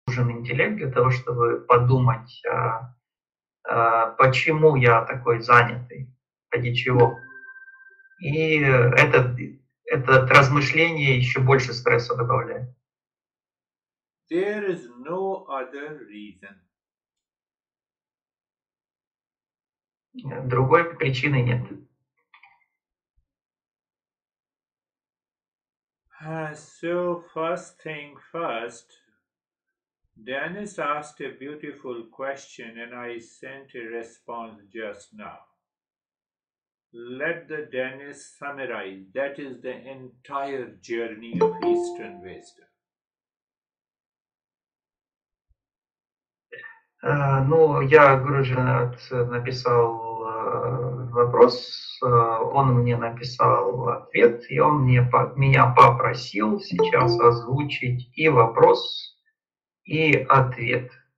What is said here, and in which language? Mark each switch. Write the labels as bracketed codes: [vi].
[ru] нужен интеллект для того, чтобы подумать, почему я такой занятый, ради чего. И это размышление еще больше стресса добавляет. [en] There is no other reason. [ru] Другой причины нет. [en] So first thing first, Dennis asked a beautiful question and I sent a response just now. Let the Dennis summarize. That is the entire journey of Eastern wisdom. [ru] Ну, я Гуруджи написал вопрос, он мне написал ответ, и он мне меня попросил сейчас озвучить и вопрос, и ответ.